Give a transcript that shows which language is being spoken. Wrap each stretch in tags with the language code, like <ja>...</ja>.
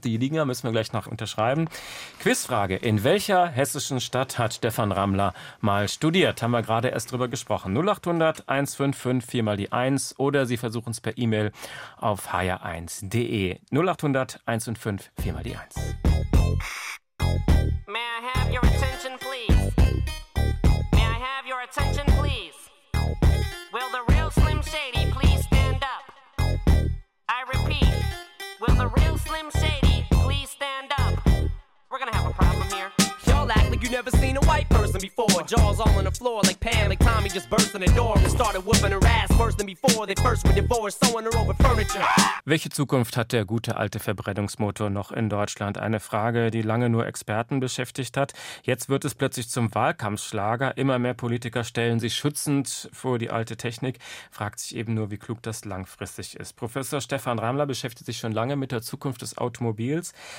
<de>Die liegen ja, müssen wir gleich noch unterschreiben. Quizfrage: In welcher hessischen Stadt hat Stefan Ramler mal studiert? Haben wir gerade erst drüber gesprochen. 0800 155 4 die 1 oder Sie versuchen es per E-Mail auf hr1.de. 0800 155 4 die 1.</de> <en>May I have your attention, please? May I have your attention, please? Will the real Slim Shady please stand up? I repeat, will the real Slim Shady please stand up? We're gonna have a problem here. Y'all act like you never seen a white person before. Jaws all on the floor like Pam, like Tommy just burst in the door and started whooping her ass worse than before. They first were divorced, sewing her over furniture.</en> <de>Welche Zukunft hat der gute alte Verbrennungsmotor noch in Deutschland? Eine Frage, die lange nur Experten beschäftigt hat. Jetzt wird es plötzlich zum Wahlkampfschlager. Immer mehr Politiker stellen sich schützend vor die alte Technik. Fragt sich eben nur, wie klug das langfristig ist. Professor Stefan Ramler beschäftigt sich schon lange mit der Zukunft des Automobils.</de>